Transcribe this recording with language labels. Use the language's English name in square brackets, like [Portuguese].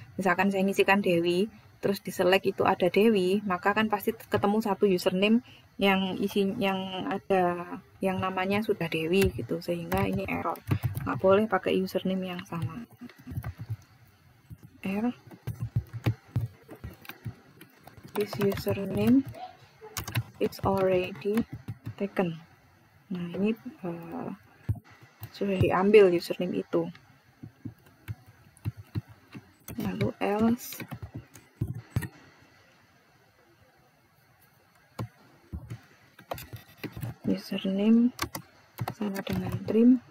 [Indonesian] Misalkan saya isikan Dewi, terus di select itu ada Dewi, maka kan pasti ketemu satu username yang yang ada yang namanya sudah Dewi gitu, sehingga ini error. Nggak boleh pakai username yang sama. Error. [English] This username is already taken. [Indonesian] Nah, ini sudah diambil username itu. Lalu else. Username sama dengan trim.